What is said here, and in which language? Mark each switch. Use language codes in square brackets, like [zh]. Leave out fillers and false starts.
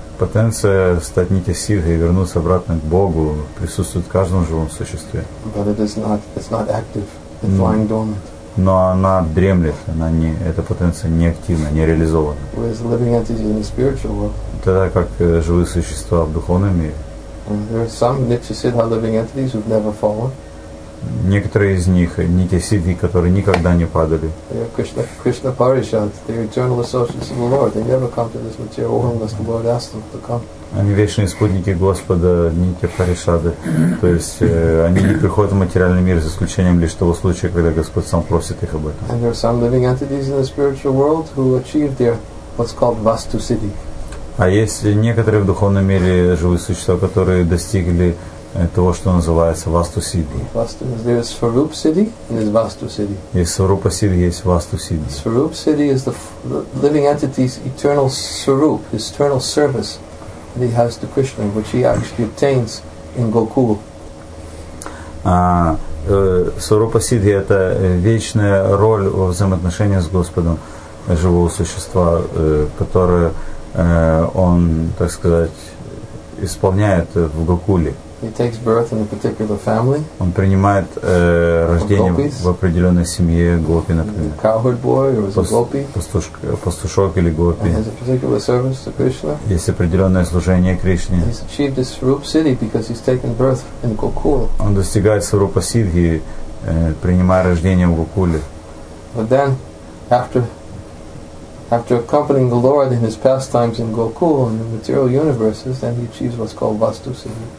[ru] Потенция стать нитья сиддхой и вернуться обратно к Богу присутствует в каждом живом существе. [en] But it's not active. It's lying dormant. [ru] Но она дремлет, она не, эта потенция не активна, не реализована. [en] Whereas living entities in the spiritual world. [ru] Тогда как живые существа в духовном мире. [en] There are some nitya siddha living entities who've never fallen. [ru] Некоторые из них нитья сиддхи, которые никогда не падали. [en] They are Krishna Parishad, the eternal associates of the Lord. They never come to this material world unless the Lord asks them to come. [ru] Они вечные спутники Господа, нитья парисады. То есть они не приходят в материальный мир за исключением лишь того случая, когда Господь сам просит их об этом. [en] And there are some living entities in the spiritual world who achieve their what's called vastu siddhi. [ru] А есть некоторые в духовном мире живые существа, которые достигли того, что называется Васту Сидди. [en] There is Svarup Siddhi and there is Vastu Siddhi. [ru] Есть Сварупа Сидди, есть Васту Сидди. [en] Svarup Siddhi is the living entity's eternal Svarup, his eternal service that he has to Krishna, which he actually obtains in Gokul. [ru] Сварупа Сидди – это вечная роль во взаимоотношениях с Господом живого существа, которое он, так сказать, исполняет в Гокуле. [en] He takes birth in a particular family. [ru] Он принимает рождение в определенной семье гопи, например. [en] A cowherd boy or a gopi. [ru] Пастушок или гопи. [en] And has a particular service to Krishna. [ru] Есть определенное служение Кришне. [en] He's achieved this Svarup Siddhi because he's taken birth in Gokul. [ru] Он достигает Сварупа Сидхи, принимая рождение в Гокуле. [en] But then, after accompanying the Lord in his pastimes in Gokul, in the material universes, then he achieves what's called Vastu Siddhi.